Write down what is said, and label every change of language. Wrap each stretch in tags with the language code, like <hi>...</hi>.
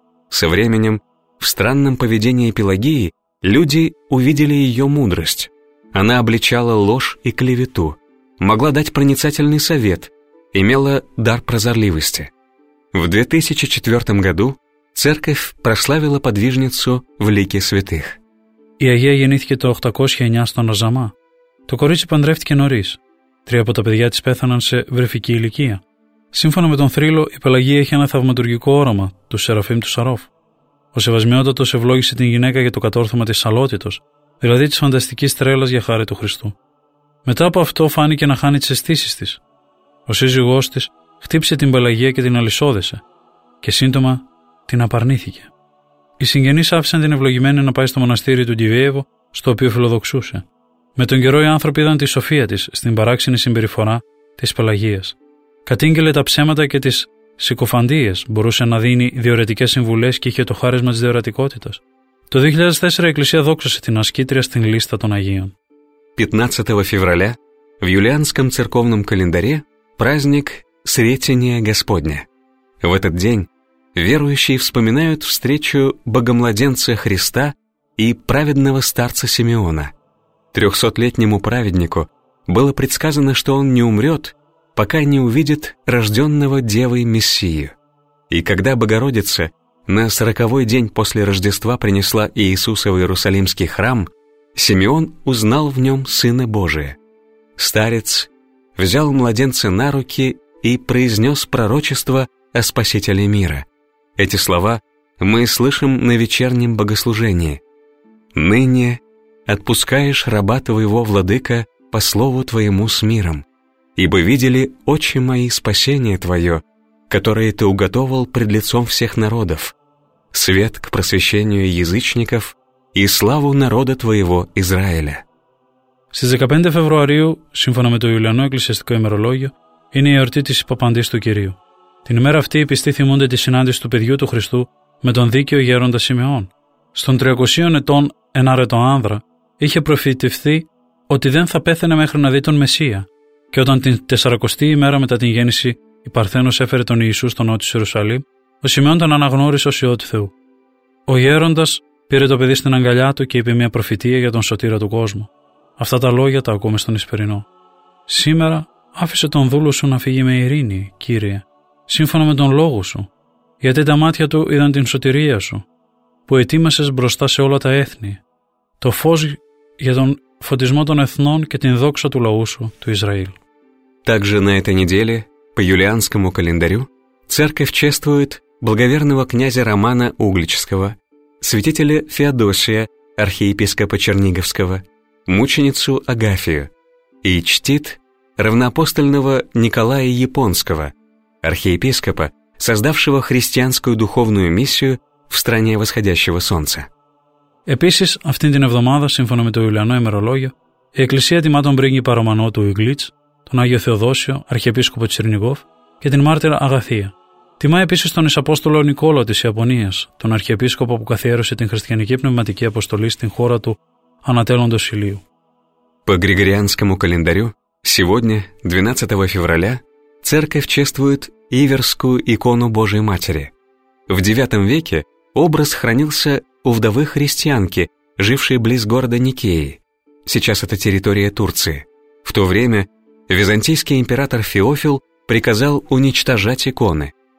<ru>Со временем в странном поведении Пелагеи люди увидели ее мудрость. Она обличала ложь и клевету, могла дать проницательный совет, имела дар прозорливости. В 2004 году церковь прославила подвижницу в лике святых.</ru> <el>Η Αγία γεννήθηκε το 809 στον Αζαμά. Το κορίτσι παντρεύτηκε νωρίς. Τρία από τα παιδιά της πέθαναν σε βρεφική ηλικία. Σύμφωνα με τον θρύλο, η Πελαγία είχε ένα θαυματουργικό όραμα, του Σεραφείμ του Σαρόφ. Ο Σεβασμιότατος ευλόγησε την γυναίκα για το κατόρθωμα της σαλότητος, δηλαδή της φανταστικής τρέλας για χάρη του Χριστού. Μετά από αυτό φάνηκε να χάνει τις αισθήσεις της. Ο σύζυγός της χτύπησε την Πελαγία και την αλυσόδεσε και σύντομα την απαρνήθηκε. Οι συγγενείς άφησαν την ευλογημένη να πάει στο μοναστήρι του Ντιβέεβο, στο οποίο φιλοδοξούσε. Με τον καιρό οι άνθρωποι είδαν τη σοφία της στην παράξενη συμπεριφορά της Πελαγίας. Κατήγγειλε τα ψέματα και τις συκοφαντίες, μπορούσε να δίνει διορετικές συμβουλές και είχε το χάρισμα της διορατικότητας. Το 2004 η Εκκλησία δόξασε την ασκήτρια στην λίστα των Αγίων.</el> <ru>15 февраля в юлианском церковном календаре праздник Сретения Господня. В этот день верующие вспоминают встречу Богомладенца Христа и праведного старца Симеона. 300-летнему праведнику было предсказано, что он не умрет, пока не увидит рожденного Девой Мессию. И когда Богородица на 40-й день после Рождества принесла Иисуса в Иерусалимский храм, Симеон узнал в нем Сына Божия. Старец взял младенца на руки и произнес пророчество о Спасителе мира. Эти слова мы слышим на вечернем богослужении. «Ныне отпускаешь раба твоего, владыка, по слову твоему с миром, ибо видели очи мои спасение твое, которое ты уготовал пред лицом всех народов, свет к просвещению язычников и славу народа твоего Израиля».</ru> <el>Στις 15 Φεβρουαρίου, σύμφωνα με το Ιουλιανό Εκκλησιαστικό ημερολόγιο, είναι η εορτή της Υποπαντής του Κυρίου. Την ημέρα αυτή οι πιστοί θυμούνται τη συνάντηση του παιδιού του Χριστού με τον δίκαιο γέροντα Σιμεών. Στον 300 ετών ένα αρετό άνδρα είχε προφητευθεί ότι δεν θα πέθαινε μέχρι να δει τον Μεσσία, και όταν την 40η ημέρα μετά την γέννηση η Παρθένος έφερε τον Ιησού στο νότιο Ιερουσαλήμ, ο Σιμεών τον αναγνώρισε ως Υιό του Θεού. Ο γέροντας πήρε το παιδί στην αγκαλιά του και είπε μια προφητεία για τον σωτήρα του κόσμου. Αυτά τα λόγια τα ακούμε στον Ισπερινό. «Σήμερα άφησε τον δούλο σου να φύγει με ειρήνη, Κύριε, σύμφωνα με τον λόγο σου, γιατί τα μάτια του είδαν την σωτηρία σου, που ετοίμασες μπροστά σε όλα τα έθνη, το φως για τον φωτισμό των εθνών και την δόξα του λαού σου, του Ισραήλ».</el> <ru>Также на этой неделе, по юлианскому календарю, церковь чествует благоверного князя Романа Углического, святителя Феодосия, архиепископа Черниговского, мученицу Агафию, и чтит равноапостольного Николая Японского, архиепископа, создавшего христианскую духовную миссию в стране восходящего солнца.</ru> <el>Επίσης, αυτήν την εβδομάδα, σύμφωνα με το Ιουλιανό ημερολόγιο, η Εκκλησία τιμά τον πρίγκιπα Ρωμανό του Ιγλίτς, τον Άγιο Θεοδόσιο, αρχιεπίσκοπο Τσιρνιγκόφ και την μάρτυρα Αγαθία. Τιμά επίσης τον Ισαπόστολο Νικόλο της Ιαπωνίας, τον αρχιεπίσκοπο που καθιέρωσε την χριστιανική πνευματική αποστολή στην χώρα του ανατέλλοντος ηλίου.</el> <ru>По григорианскому календарю сегодня, 12 февраля, церковь чествует Иверскую икону Божией Матери. В IX веке образ хранился у вдовы-христианки, жившей близ города Никеи. Сейчас это территория Турции. В то время византийский император Феофил приказал уничтожать иконы.</ru>